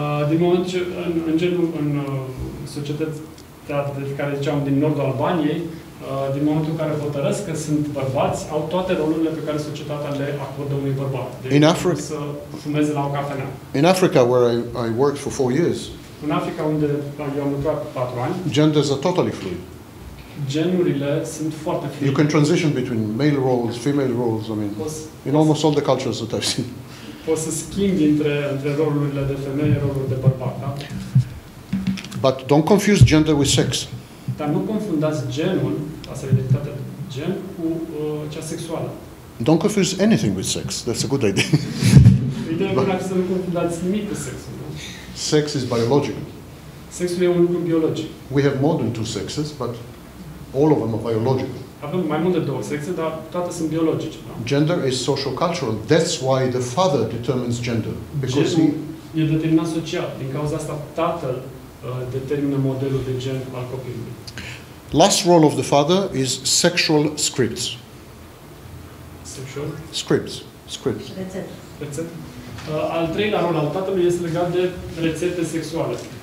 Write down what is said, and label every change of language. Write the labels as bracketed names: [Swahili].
[Romanian] Din moment ce, în societatea de care ziceam din nordul Albaniei, din momentul în care hotărăsc că sunt bărbați, au toate rolurile pe care societatea le acordă unui bărbat. [English] In Africa, [Romanian] să fumeze la o cafenea. [English] In Africa, where I worked for 4 years, [Romanian] în Africa, unde eu am lucrat 4 ani, [English] genders are totally fluid. [Romanian] Genurile sunt foarte fluide. [English] You can transition between male roles, female roles, I mean, in almost all the cultures that I've seen. [Romanian] Poți să schimbi între rolurile de femeie, rolurile de bărbat, da? [English] But don't confuse gender with sex. [Romanian] Dar nu confundați genul, asta e identitatea de gen, cu cea sexuală. [English] Don't confuse anything with sex. That's a good idea. [Romanian] Ideea e bună să nu confundați nimic cu sexul, [English] da? Sex is biological. [Romanian] Sexul e un lucru biologic. [English] We have more than 2 sexes, but all of them are biological. [Romanian] Avem mai multe 2 sexe, dar toate sunt biologice. [English] Gender is socio-cultural. That's why the father determines gender. Because [Romanian] e determinat social. Din cauza asta, tatăl determină modelul de gen al copilului. [English] Last role of the father is sexual scripts. Sexual? Scripts. [Romanian] Rețete. Al treilea rol al tatălui este legat de rețete sexuale.